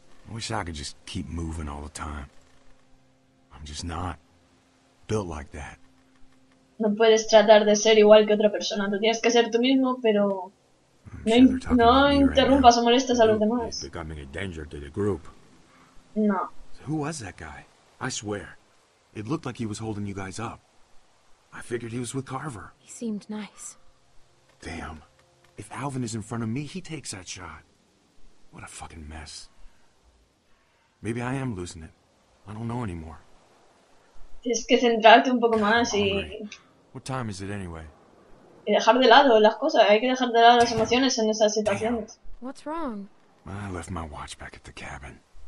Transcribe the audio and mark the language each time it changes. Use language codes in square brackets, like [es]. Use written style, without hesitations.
[en] I wish I could just keep moving all the time. I'm just not built like that. [es] No puedes tratar de ser igual que otra persona. Tú tienes que ser tú mismo, pero no interrumpas o molestes a los demás. [en] It's becoming a danger to the group. No. So who was that guy? I swear, it looked like he was holding you guys up. I figured he was with Carver. He seemed nice. Damn. If Alvin is in front of me, he takes that shot. What a fucking mess. Maybe I am losing it. I don't know anymore. [es] Tienes que centrarte un poco [en] God, [es] más y... [en] What time is it anyway? [es] Y dejar de lado las cosas. Hay que dejar de lado las emociones en esas situaciones. [en] Damn. What's wrong? I left my watch back at the cabin.